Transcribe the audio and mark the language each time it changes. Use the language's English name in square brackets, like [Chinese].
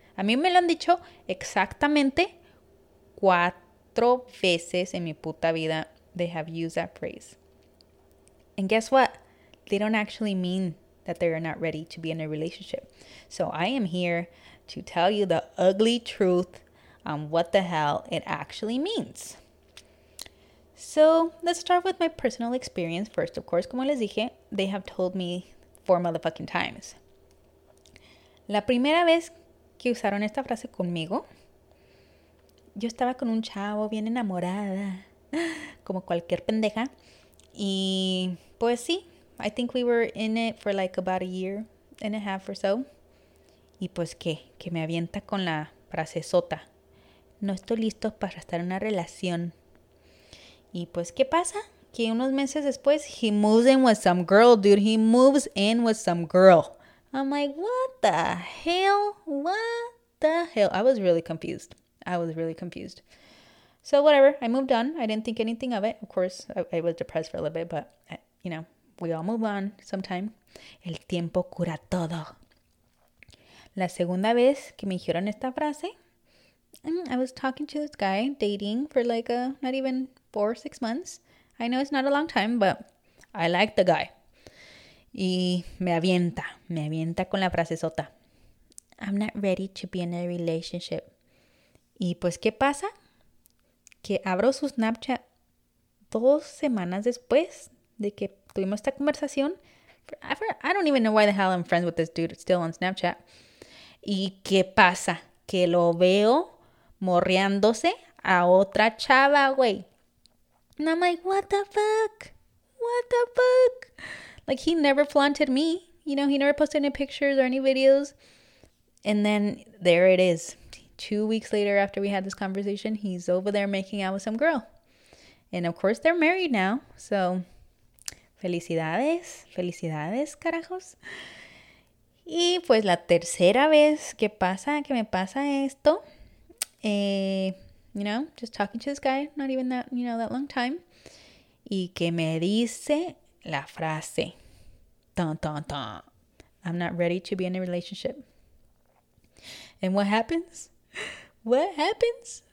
[Spanish] A mí me lo han dicho exactamente 4 veces en mi puta vida. [English] They have used that phrase. And guess what? They don't actually mean that they are not ready to be in a relationship. So I am here to tell you the ugly truth on what the hell it actually means. So, let's start with my personal experience first. Of course, [Spanish] como les dije, [English] they have told me 4 motherfucking times. [Spanish] La primera vez que usaron esta frase conmigo, yo estaba con un chavo bien enamorada, como cualquier pendeja. Y pues sí, [English] I think we were in it for like about a year and a half or so. [Spanish] Y pues qué, que me avienta con la frase sota. No estoy listo para estar en una relación. Y pues, ¿qué pasa? Que unos meses después, [English] he moves in with some girl, dude. He moves in with some girl. I'm like, what the hell? What the hell? I was really confused. So whatever, I moved on. I didn't think anything of it. Of course, I was depressed for a little bit, but, you know, we all move on sometime. [Spanish] El tiempo cura todo. La segunda vez que me dijeron esta frase, [English] I was talking to this guy, dating for like a, not even... 4 or 6 months. I know it's not a long time, but I like the guy. [Spanish] Y me avienta con la frase sota. [English] I'm not ready to be in a relationship. [Spanish] Y pues, ¿qué pasa? Que abro su Snapchat 2 semanas después de que tuvimos esta conversación. [English] I don't even know why the hell I'm friends with this dude still on Snapchat. [Spanish] Y ¿qué pasa? Que lo veo morreándose a otra chava, güey. [English] And I'm like, what the fuck? What the fuck? Like, he never flaunted me. You know, he never posted any pictures or any videos. And then there it is. 2 weeks later after we had this conversation, he's over there making out with some girl. And of course, they're married now. So, [Spanish] felicidades. Felicidades, carajos. Y pues la tercera vez que pasa, que me pasa esto. [English] You know, just talking to this guy, not even that, you know, that long time. [Spanish] Y que me dice la frase. Tan, tan, tan. [English] I'm not ready to be in a relationship. And what happens? What happens?